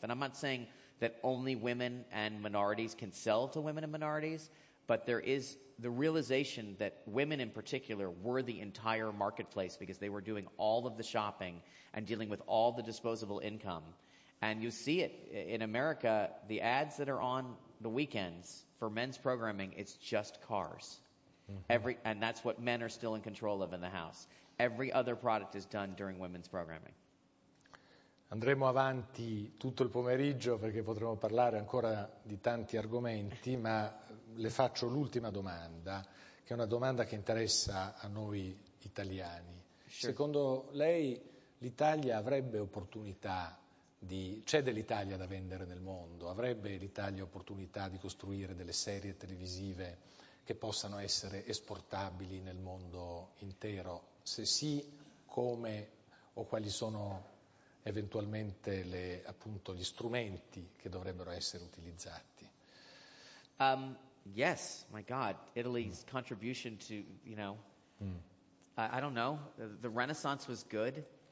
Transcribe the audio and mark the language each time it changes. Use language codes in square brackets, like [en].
[en] And I'm not saying that only women and minorities can sell to women and minorities, but there is the realization that women in particular were the entire marketplace because they were doing all of the shopping and dealing with all the disposable income. And you see it in America, the ads that are on the weekends for men's programming, it's just cars. Mm-hmm. And that's what men are still in control of in the house. Every other product is done during women's programming. [it] Andremo avanti tutto il pomeriggio perché potremo parlare ancora di tanti argomenti, ma le faccio l'ultima domanda, che è una domanda che interessa a noi italiani. [en] Sure. [it] Secondo lei l'Italia avrebbe opportunità di... c'è dell'Italia da vendere nel mondo? Avrebbe l'Italia opportunità di costruire delle serie televisive che possano essere esportabili nel mondo intero? Se sì, come o quali sono eventualmente gli strumenti che dovrebbero essere utilizzati? [en] Yes, my God, Italy's contribution to, you know, I don't know. The Renaissance was good.